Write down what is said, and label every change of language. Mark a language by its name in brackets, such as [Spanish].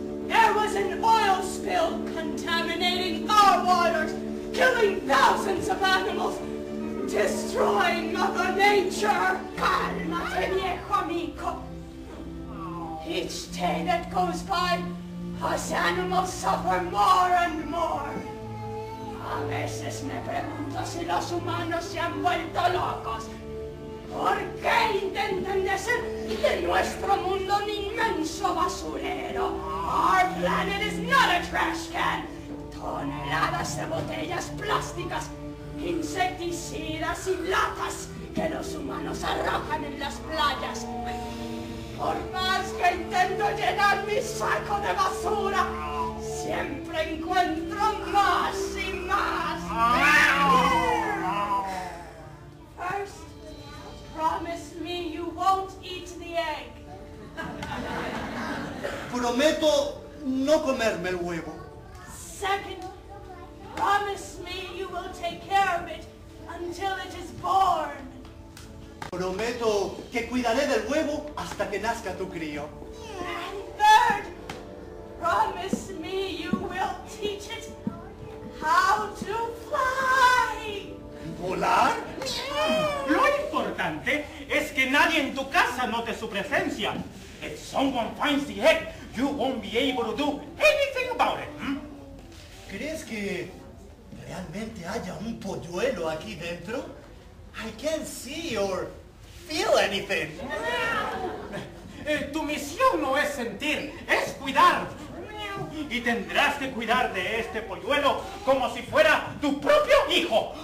[English] There was an oil spill contaminating our waters, killing thousands of animals, destroying Mother Nature. [Spanish] Cálmate, viejo amigo. [English] Each day that goes by, us animals suffer more and more. [Spanish] A veces me pregunto si los humanos se han vuelto locos. ¿Por qué intentan deshacer de nuestro mundo un inmenso basurero? [English] Our planet is not a trash can. [Spanish] Toneladas de botellas plásticas, insecticidas y latas que los humanos arrojan en las playas. Por más que intento llenar mi saco de basura, siempre encuentro más y más. [English] Promise me you won't eat the egg. [Spanish] Prometo no comerme el huevo. [English] Second, promise me you will take care of it until it is born. [Spanish] Prometo que cuidaré del huevo hasta que nazca tu crío. [English] And third, promise me you will teach it how to fly. [Spanish] ¿Volar? Lo importante es que nadie en tu casa note su presencia. [English] If someone finds the egg, you won't be able to do anything about it. ¿Mm? [Spanish] ¿Crees que realmente haya un polluelo aquí dentro? [English] I can't see or feel anything. [Spanish] Tu misión no es sentir, es cuidar. Y tendrás que cuidar de este polluelo como si fuera tu propio hijo.